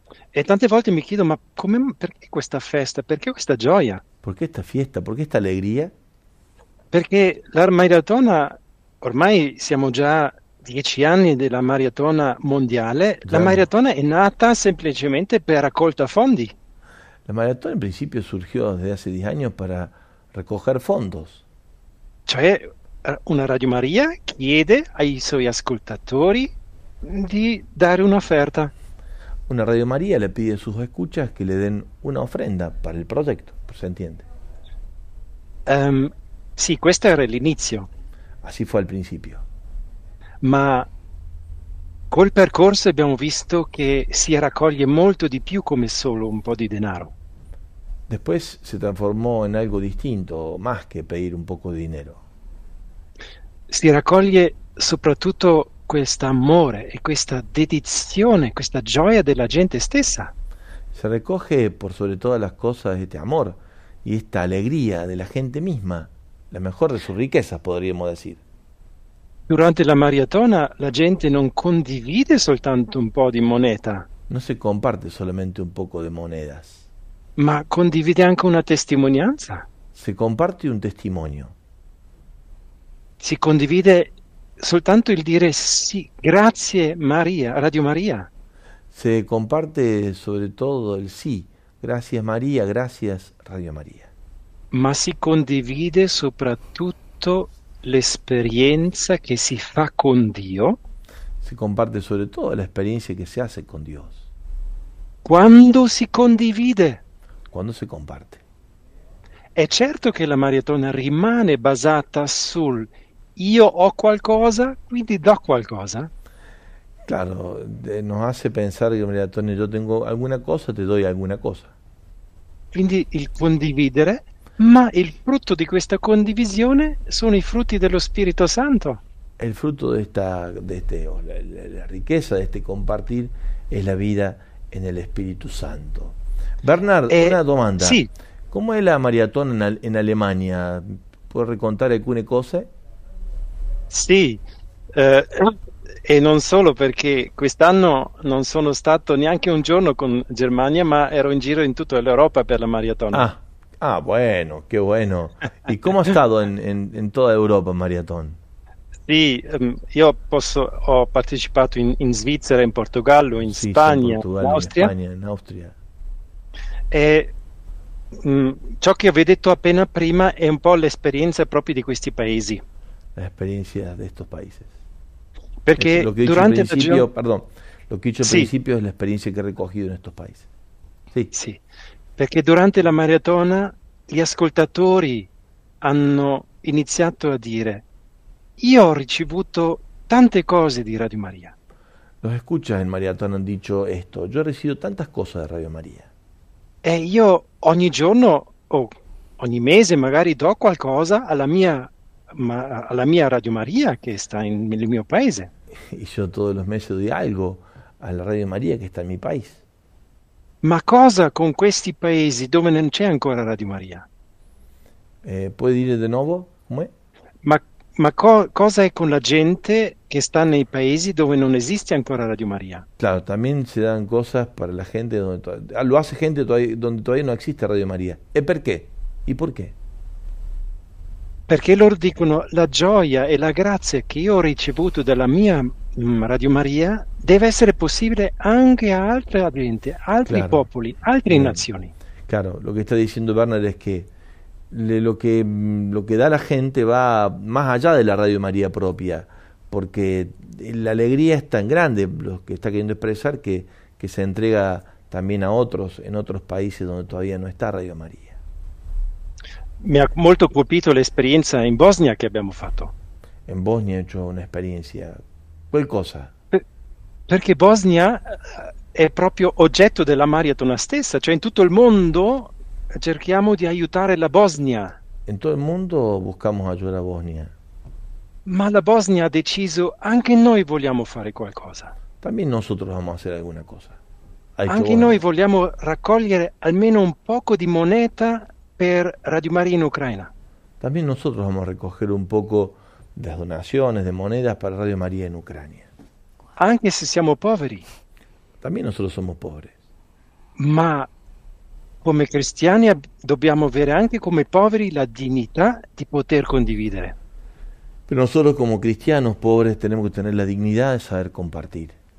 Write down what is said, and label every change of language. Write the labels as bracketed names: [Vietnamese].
[Italian] E tante volte mi chiedo, ma come, perché questa festa? Perché questa gioia? Perché questa [Spanish] fiesta? [Italian] Perché questa [Spanish] alegria? [Italian] Perché la maratona, ormai siamo già 10 anni della maratona mondiale, già. La maratona è nata semplicemente per raccolta fondi. [Spanish] La maratona en principio surgió desde hace 10 años para recoger fondos. [Italian] Cioè, una Radio María chiede ai suoi ascoltatori di dare un'offerta. [Spanish] Una Radio María le pide a sus escuchas que le den una ofrenda para el proyecto, ¿se entiende? [Italian] Sí, questo era l'inizio. [Spanish] Así fue al principio. [Italian] Ma col percorso abbiamo visto che si raccoglie molto di più come solo un po' di denaro. [Spanish] Después se transformó en algo distinto, más que pedir un poco de dinero. [Italian] Si raccoglie soprattutto questo amore e questa dedizione, questa gioia della gente stessa. [Spanish] Se recoge por sobre todas las cosas este amor y esta alegría de la gente misma, la mejor de sus riquezas, podríamos decir. [Italian] Durante la maratona la gente non condivide soltanto un po' di moneta. [Spanish] No se comparte solamente un poco de monedas. [Italian] Ma condivide anche una testimonianza. [Spanish] Se comparte un testimonio. [Italian] Si condivide soltanto il dire sì, grazie Maria, Radio Maria. [Spanish] Se comparte sobre todo el sí, gracias María, gracias Radio María. [Italian] Ma si condivide soprattutto l'esperienza che si fa con Dio. [Spanish] Se comparte sobre todo la experiencia que se hace con Dios. [Italian] Quando si condivide. Quando si comparte. È certo che la maratona rimane basata sul io ho qualcosa, quindi do qualcosa. [Spanish] Claro, nos hace pensar que la maratona yo tengo alguna cosa, te doy alguna cosa. [Italian] Quindi il condividere. Ma il frutto di questa condivisione sono i frutti dello Spirito Santo. [Spanish] El fruto de esta, la riqueza de este compartir es la vida en el Espíritu Santo. [Italian] Bernhard, una domanda. [Spanish] Sí. ¿Cómo es la maratón en Alemania? ¿Puedes recontar [Italian] alcune cose? [Spanish] Sí. [Italian] E non solo perché quest'anno non sono stato neanche un giorno con Germania, ma ero in giro in tutta l'Europa per la maratona. [Spanish] Ah, bueno, qué bueno. ¿Y cómo ha estado en toda Europa en maratón? Sí, yo he participado en Svizzera, en Portugal, en España, en Austria. Y [Italian] Ciò che ho detto appena prima è un po' l'esperienza proprio di questi paesi. Perché L'esperienza di questi paesi. [Spanish] Es lo que he dicho al [Italian] durante la giornata. [Spanish] principio, perdón, lo que he dicho al [Italian] Sì. [Spanish] principio es la experiencia que he recogido en estos países. [Italian] Sì. Perché durante la maratona gli ascoltatori hanno iniziato a dire: io ho ricevuto tante cose di Radio Maria. [Spanish] Los escuchas en maratón han dicho esto. Yo he recibido tantas cosas de Radio María. [Italian] E io ogni giorno o ogni mese magari do qualcosa alla mia Radio Maria che sta nel mio paese. [Spanish] Y yo todos los meses doy algo a la Radio María que está en mi país. [Italian] Ma cosa con questi paesi dove non c'è ancora Radio Maria? [Spanish] ¿Puede ir de nuevo? ¿Cómo es? [Italian] Ma cosa è con la gente che sta nei paesi dove non esiste ancora Radio Maria? [Spanish] Claro, también se dan cosas para la gente donde lo hace gente donde todavía no existe Radio María. ¿Y por qué? ¿Y por qué? [Italian] Perché loro dicono la gioia e la grazia che io ho ricevuto dalla mia Radio Maria deve essere possibile anche a altre gente, altri [Spanish] Claro, [Italian] popoli, altre nazioni. [Spanish] lo que está diciendo Bernard es que lo que da la gente va más allá de la Radio María propia, porque la alegría es tan grande lo que está queriendo expresar que se entrega también a otros en otros países donde todavía no está Radio María. [Italian] Mi ha molto colpito l'esperienza in Bosnia che abbiamo fatto. [Spanish] En Bosnia he hecho una experiencia, [Italian] qualcosa. Perché Bosnia è proprio oggetto della maratona stessa, cioè in tutto il mondo cerchiamo di aiutare la Bosnia. [Spanish] En todo el mundo buscamos ayuda a Bosnia. [Italian] Ma la Bosnia ha deciso, anche noi vogliamo fare qualcosa. [Spanish] También nosotros vamos a hacer alguna cosa. Hay que [Italian] Anche noi vogliamo raccogliere almeno un poco di moneta per Radio Maria in Ucraina. [Spanish] También nosotros vamos a recoger un poco de donaciones, de monedas para Radio María en Ucrania. [Italian] Anche se siamo poveri, [Spanish] También nosotros somos pobres. [Italian] ma come cristiani dobbiamo avere anche come poveri la dignità di poter condividere. [Spanish] Pero nosotros como cristianos pobres tenemos que tener la dignidad de saber compartir.